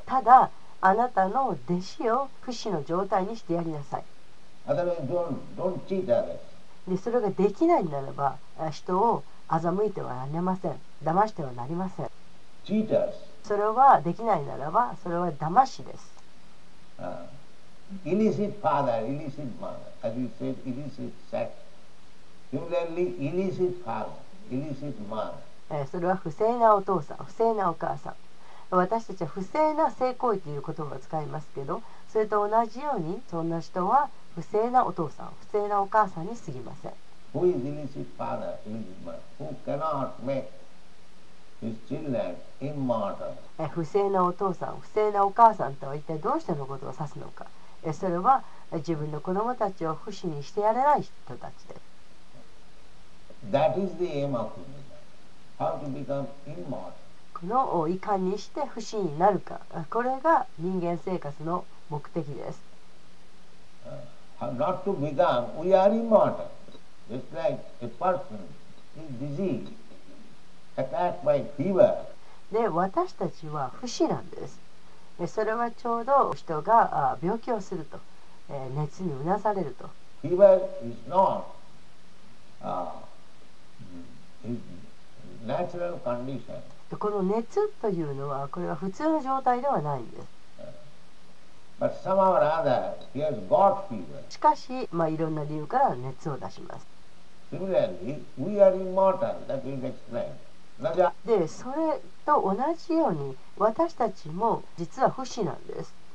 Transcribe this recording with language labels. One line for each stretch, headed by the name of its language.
Japanese: ただあなたの弟子を不死の状態にしてやりなさい。でそれができないならば、人を欺いてはなりません。騙してはなりません。それはできないならば、それは騙しです。
English: Illicit father, illicit mother, as you said, illicit sex. Similarly, illicit father, illicit mother.
Japanese: それは不正なお父さん、不正なお母さん。私たちは不正な性行為という言葉を使いますけど、それと同じようにそんな人は不正なお父さん、不正なお母さんに過ぎません。
English: Who is illicit father, illicit mother, who cannot make his children immortal?
Japanese: 不正なお父さん、不正なお母さんとは一体どうしてのことを指すのか。それは自分の子供たちを不死にしてやれない人たちです。
English: That is the aim of Buddha. How to become immortal?
Japanese: このをいかにして不死になるか。これが人間生活の目的です。
English: Not to become, we are immortal. Just like a person is diseased, attacked by fever.
Japanese: で、私たちは不死なんです。それはちょうど人が病気をすると、熱にうなされると。
English: Fever is not his natural condition.
Japanese: この熱というのは、これは普通の状態ではないんです。
English: But somehow or other, he has got fever.
Japanese: しかし、まあ、いろんな理由から熱を出します。
English: Similarly, we are immortal. That is explained.
Japanese: でそれと同じように私たちも実は不死なんです。